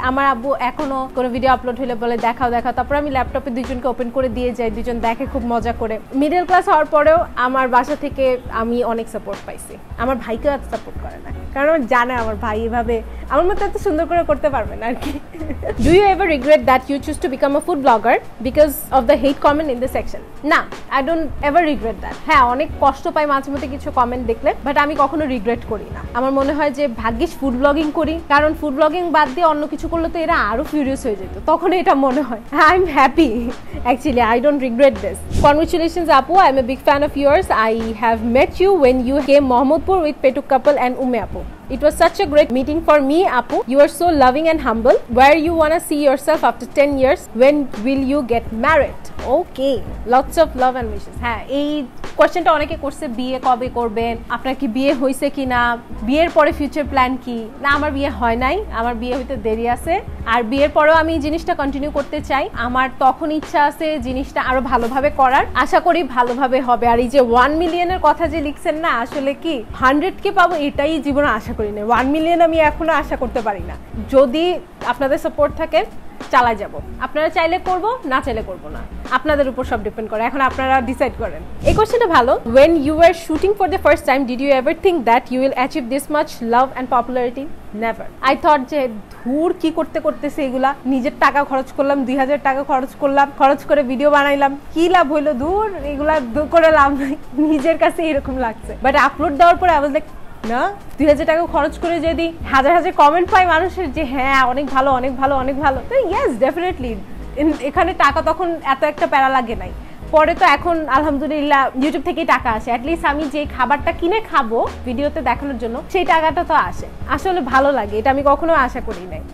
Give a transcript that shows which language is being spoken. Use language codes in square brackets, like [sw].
[bn] আমার আব্বু এখনও কোনো ভিডিও আপলোড হলে বলে দেখাও দেখাও, তারপর আমি ল্যাপটপে দুজনকে ওপেন করে দিয়ে যাই, দুজন দেখে খুব মজা করে। মিডল ক্লাস হওয়ার পরেও আমার বাসা থেকে আমি অনেক সাপোর্ট পাইছি, আমার ভাইকেও এত সাপোর্ট করে না, কারণ আমার জানে আমার ভাই এভাবে আমার মতো এত সুন্দর করে করতে পারবে। [en] Do you ever regret that you choose to become a food blogger because of the hate comment in the section? Nah, I don't ever regret that. [bn] হ্যাঁ, অনেক কষ্ট পাই মাঝে মধ্যে কিছু কমেন্ট দেখলে, বাট আমি কখনো রিগ্রেট করি না। আমার মনে হয় যে ভাগ্যিস ফুড ব্লগিং করি, কারণ ফুড ব্লগিং বাদ দিয়ে অন্য কিছু করলে তো এরা আরো ফিউরিয়াস হয়ে যেত, তখন এটা মনে হয়। [en] I am happy actually, I don't regret this. Congratulations আপু, I am a big fan of yours, I have met you when you came Mohammadpur with Petuk couple and উমে আপু। It was such a great meeting for me, Apu. You are so loving and humble. Where you wanna see yourself after 10 years? When will you get married? Okay. Lots of love and wishes. [bn] হ্যাঁ, এই কোয়েশ্চনটা অনেকে করছে, বিয়ে কবে করবেন, আপনার কি বিয়ে হয়েছে কি না, বিয়ের পরে ফিউচার প্ল্যান কি। না, আমার বিয়ে হয় নাই, আমার বিয়ে হইতে দেরি আছে, আর বিয়ের পরেও আমি জিনিসটা কন্টিনিউ করতে চাই। আমার তখন ইচ্ছা আছে জিনিসটা আরো ভালোভাবে করার, আশা করি ভালোভাবে হবে। আর এই যে 1 মিলিয়নের কথা যে লিখছেন, না আসলে কি 100K পাবো এটাই জীবনে আশা করি না, 1 মিলিয়ন আমি এখনো আশা করতে পারি না। যদি আপনাদের সাপোর্ট থাকে চালা যাব, আপনারা চাইলে করব না চাইলে করব না, আপনাদের উপর সব ডিপেন্ড করে, এখন আপনারা ডিসাইড করেন। এই কোশ্চেনটা ভালো, [en] when you were shooting for the first time did you ever think that you will achieve this much love and popularity? Never. I thought [bn] যে ধুর কি করতে করতেছে এগুলা, নিজের টাকা খরচ করলাম, 2000 টাকা খরচ করলাম, খরচ করে ভিডিও বানাইলাম, কি লাভ হইলো, ধুর এগুলা করে লাভ নাই, নিজের কাছে এরকম লাগছে। বাট আপলোড দেওয়ার পরে আবার দেখ না, 2000 টাকা খরচ করে যদি হাজার হাজার কমেন্ট পাই মানুষের যে হ্যাঁ অনেক ভালো অনেক ভালো অনেক ভালো, তো ইয়েস ডেফিনেটলি, এখানে টাকা তখন এত একটা প্যারা লাগে নাই, পরে তো এখন আলহামদুলিল্লাহ ইউটিউব থেকেই টাকা আসে, অ্যাটলিস্ট আমি যে খাবারটা কিনে খাবো ভিডিওতে দেখানোর জন্য সেই টাকাটা তো আসে, আসলে ভালো লাগে, এটা আমি কখনো আশা করি নাই।